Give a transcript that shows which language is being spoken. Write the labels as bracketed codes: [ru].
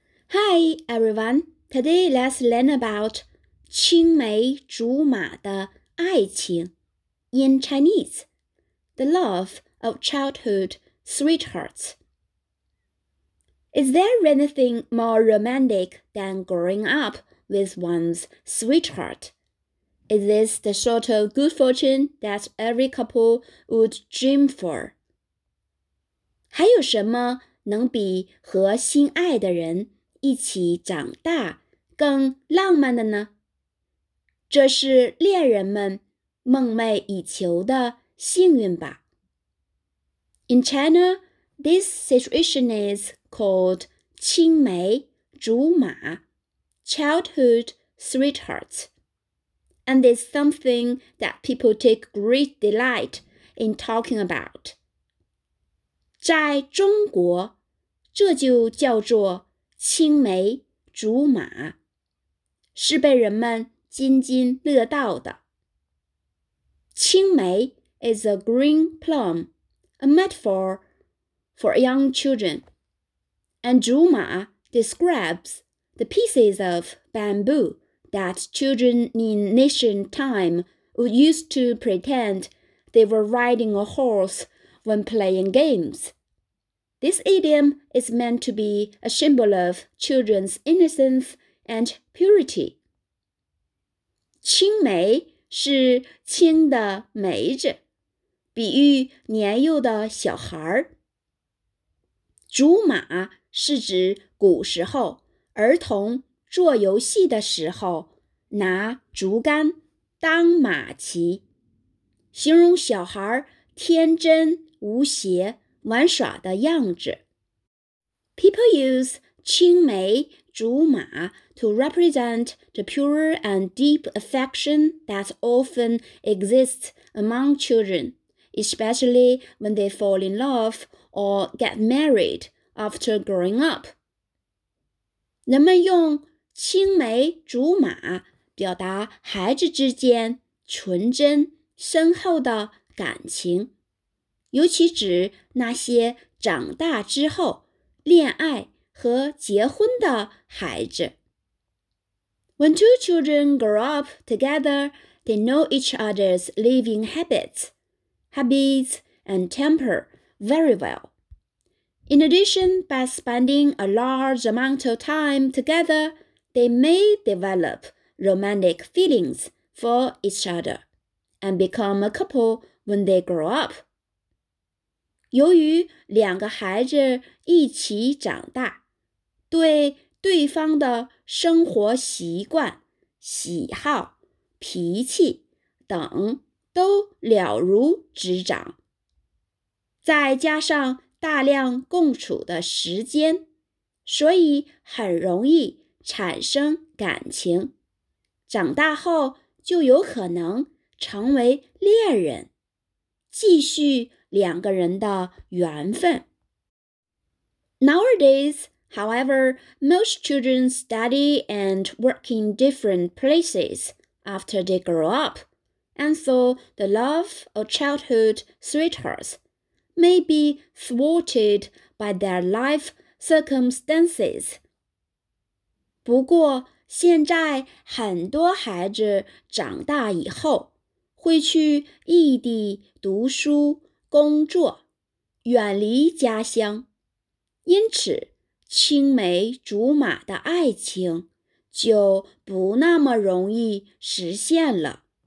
[en] Hi everyone, today let's learn about [zh] 青梅竹马的爱情 [en] in Chinese, the love of childhood sweethearts. Is there anything more romantic than growing up with one's sweetheart? Is this the sort of good fortune that every couple would dream for? [zh] 还有什么能比和心爱的人一起长大更浪漫的呢？这是恋人们梦寐以求的幸运吧。 [en] In China, this situation is called 青梅竹马 childhood sweethearts, and it's something that people take great delight in talking about. [zh] 在中国，这就叫做青梅竹马，是被人们津津乐道的。 [en] 青梅 is a green plum, a metaphor for young children. And 竹马 describes the pieces of bamboo that children in ancient time would use to pretend they were riding a horse when playing games. This idiom is meant to be a symbol of children's innocence and purity. [zh] 青梅是青的梅子，比喻年幼的小孩。竹马是指古时候儿童做游戏的时候拿竹竿当马骑，形容小孩天真无邪玩耍的样子。 [en] People use 青梅竹马 to represent the pure and deep affection that often exists among children, especially when they fall in love or get married after growing up. [zh] 人们用青梅竹马表达孩子之间纯真深厚的感情，尤其指那些长大之后恋爱和结婚的孩子。 [en] When two children grow up together, they know each other's living habits and temper very well. In addition, by spending a large amount of time together, they may develop romantic feelings for each other and become a couple when they grow up. [zh] 由于两个孩子一起长大，对对方的生活习惯、喜好、脾气等都了如指掌。再加上大量共处的时间，所以很容易产生感情。长大后就有可能成为恋人，继续两个人的缘分。 [en] Nowadays, however, most children study and work in different places after they grow up, and so the love of childhood sweethearts may be thwarted by their life circumstances. [zh] 不过现在很多孩子长大以后会去异地读书工作，远离家乡，因此青梅竹马的爱情就不那么容易实现了。